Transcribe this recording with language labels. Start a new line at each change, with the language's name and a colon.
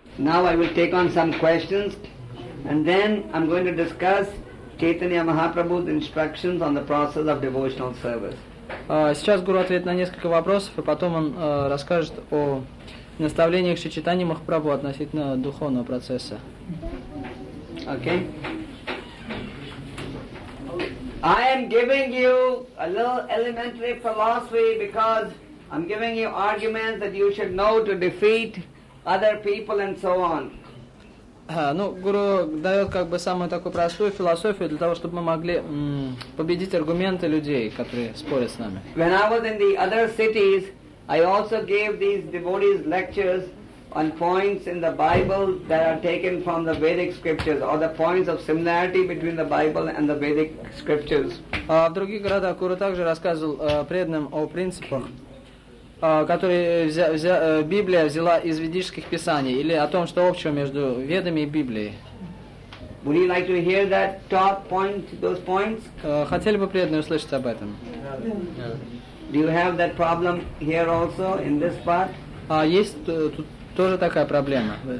English: Now I will take on some questions and then I'm going to discuss Chaitanya Mahaprabhu's instructions on the process of devotional service.
Russian: Сейчас Гуру ответит на несколько вопросов, и потом он расскажет о наставлениях Шри Чайтаньи Махапрабху относительно духовного процесса.
English: Okay. I am giving you a little elementary philosophy because I'm giving you arguments that you should know to defeat other people and so on.
Russian: Ну, Гуру дает как бы самую такую простую философию для того, чтобы мы могли победить аргументы людей, которые спорят с нами.
English: When I was in the other cities, I also gave these devotees lectures on points in the Bible that are taken from the Vedic scriptures, or the points of similarity between the Bible and the Vedic scriptures.
Russian: В других городах Гуру также рассказывал преданным о принципах, которые Библия взяла из ведических писаний, или о том, что общего между Ведами и Библией.
English: Would you like to hear that top point, those points?
Russian: Хотели бы преданные услышать об этом?
English: Do you have that problem here also, in this part?
Russian: Есть тут тоже такая проблема.